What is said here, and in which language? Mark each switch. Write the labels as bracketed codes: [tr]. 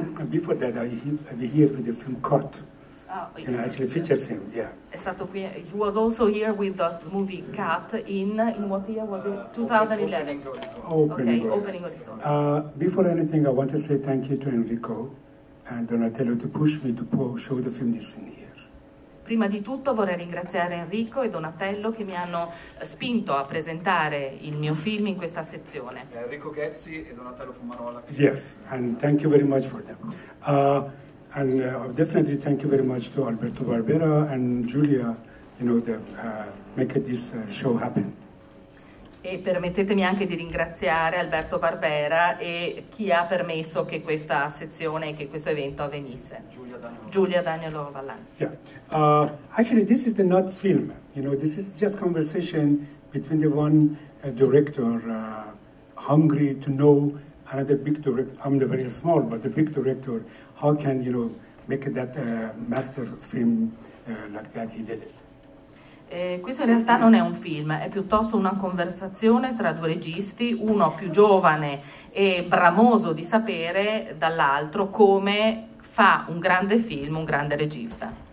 [en] Before that, I'll be here with the film Cut, you know, actually feature film, yeah. He was also here with the movie Cut in what year was it? 2011. Opening Okay, opening of its own. Before anything, I want to say thank you to Enrico and Donatello to push me to show the film this in here. [it] Prima di tutto vorrei ringraziare Enrico e Donatello che mi hanno spinto a presentare il mio film in questa sezione. Enrico Ghezzi e Donatello Fumarola. [en] Yes, and thank you very much for them. And definitely thank you very much to Alberto Barbera and Giulia, you know, that make this show happen. [it] E permettetemi anche di ringraziare Alberto Barbera e chi ha permesso che questa sezione, che questo evento avvenisse. Giulia Dagnolo Vallani. [en] Yeah. Actually, this is not film. You know, this is just conversation between the one director hungry to know another big director. I'm the very small, but the big director. How can, you know, make that master film like that he did it? [it] Questo in realtà non è un film, è piuttosto una conversazione tra due registi, uno più giovane e bramoso di sapere dall'altro come fa un grande film, un grande regista.